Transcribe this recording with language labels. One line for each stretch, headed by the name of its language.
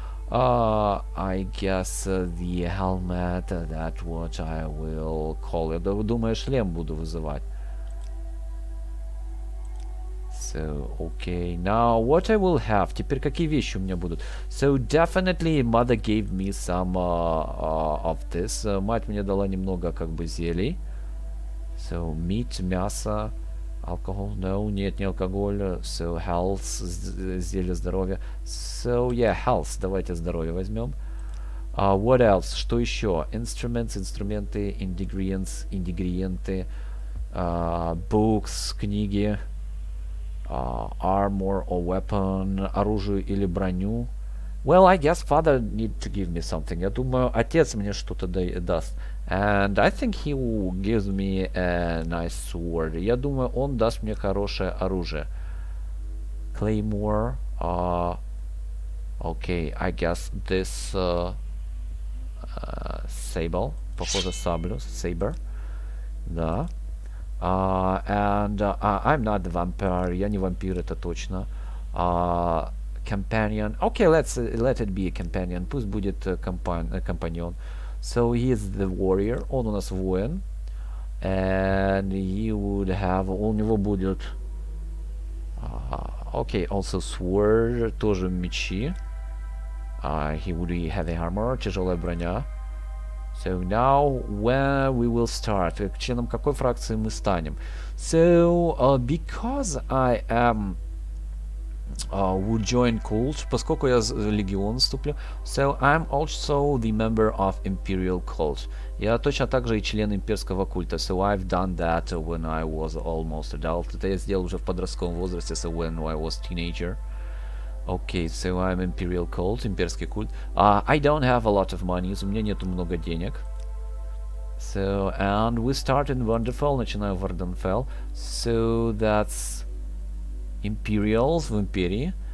English: I guess the helmet, that what I will call it.
Russian: Думаю, шлем буду вызывать.
English: So, okay. Now, what I will have?
Russian: Теперь какие вещи у меня будут?
English: So, definitely, mother gave me some of this.
Russian: Мать мне дала немного, как бы, зелий.
English: So, meat, мясо. Alcohol? No, нет,
Russian: не алкоголь.
English: So, health,
Russian: зелье здоровья.
English: So, yeah, health.
Russian: Давайте здоровье возьмем.
English: What else?
Russian: Что еще?
English: Instruments, инструменты, ingredients, ингредиенты, books, книги, armor or weapon,
Russian: оружие или броню.
English: Well, I guess father need to give me something.
Russian: Я думаю, отец мне что-то даст.
English: And I think he gives me a nice sword.
Russian: Я думаю, он даст мне хорошее оружие.
English: Claymore. Okay, I guess this sable.
Russian: Похоже, саблю.
English: Saber. Да. I'm not a vampire.
Russian: Я не вампир, это точно.
English: Companion. Okay, let's let it be a companion.
Russian: Пусть будет компаньон.
English: So he is the warrior.
Russian: Он у нас воин.
English: And he would have...
Russian: У него будет...
English: Okay, also sword.
Russian: Тоже мечи.
English: He would be heavy armor.
Russian: Тяжелая броня.
English: So now, where we will start?
Russian: Членом какой фракции мы станем?
English: So, because I am... would join cult,
Russian: поскольку я в легион вступлю.
English: So I'm also the member of imperial cult.
Russian: Я точно так же и член имперского культа.
English: So I've done that when I was almost adult.
Russian: Это я сделал уже в подростковом возрасте.
English: So when I was teenager. Okay, so I'm imperial cult,
Russian: имперский культ.
English: I don't have a lot of money.
Russian: У меня нету много денег.
English: So, and we start in Vardenfell.
Russian: Начинаю в Vardenfell.
English: So that's Imperials
Russian: в империи.